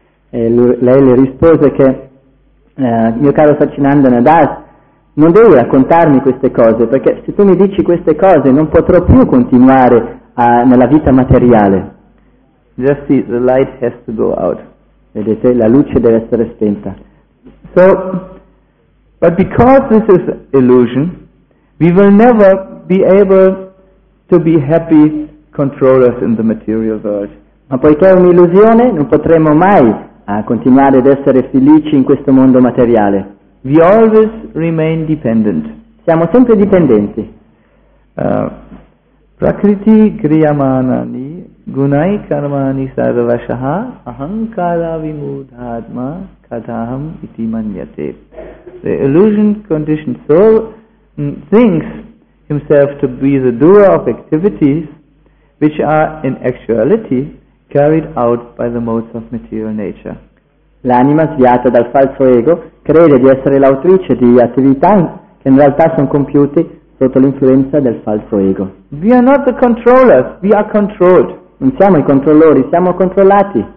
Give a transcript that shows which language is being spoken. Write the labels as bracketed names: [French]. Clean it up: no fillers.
[Italian] E lei le rispose che, mio caro Sachinandanda, non devi raccontarmi queste cose, perché se tu mi dici queste cose non potrò più continuare nella vita materiale. [English] Just see, the light has to go out. [Italian] Vedete, la luce deve essere spenta. [English] So, but because this is illusion, we will never be able to be happy controllers in the material world. [Italian] Ma poiché è un'illusione, non potremo mai continuare ad essere felici in questo mondo materiale. [English] We always remain dependent. [Italian] Siamo sempre dipendenti. [Sanskrit] Prakriti kriyamanani gunai karmani sarvashaha ahankara vimudhatma kataham iti manyate. [English] The illusion conditioned soul thinks himself to be the doer of activities which are in actuality carried out by the modes of material nature. [Italian] L'anima, sviata dal falso ego, crede di essere l'autrice di attività che in realtà sono compiute sotto l'influenza del falso ego. [English] We are not the controllers, we are controlled. [Italian] Non siamo i controllori, siamo controllati.